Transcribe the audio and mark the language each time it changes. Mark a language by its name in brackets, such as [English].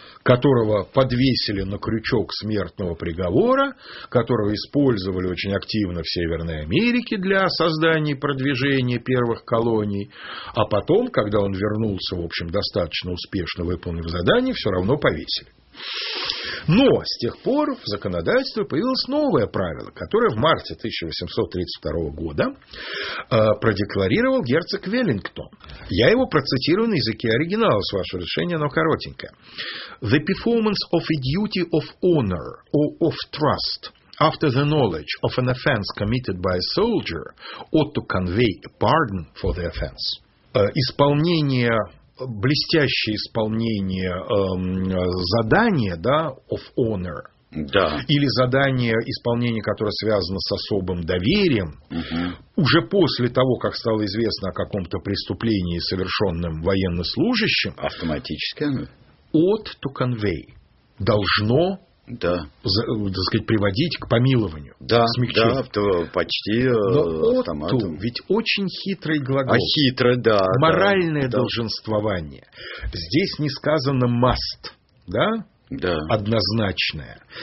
[Russian] которого подвесили на крючок смертного приговора, которого использовали очень активно в Северной Америке для создания и продвижения первых колоний, а потом, когда он вернулся, в общем, достаточно успешно выполнив задание, все равно повесили. Но с тех пор в законодательстве появилось новое правило, которое в марте 1832 года продекларировал герцог Веллингтон. Я его процитирую на языке оригинала, с вашего разрешения, но коротенькое. [English] «The performance of a duty of honor or of trust after the knowledge of an offense committed by a soldier ought to convey a pardon for the offense». [Russian] Исполнение... блестящее исполнение задания, да, [English] of honor, [Russian] да, или задание исполнения, которое связано с особым доверием, угу, уже после того, как стало известно о каком-то преступлении, совершенном военнослужащим, автоматически [English] ought to convey, [Russian] должно, да, так сказать, приводить к помилованию. Да, да, то почти автоматом. Но ведь очень хитрый глагол. А хитро, да. Моральное, да, долженствование. Здесь не сказано must, да? Да. Однозначное.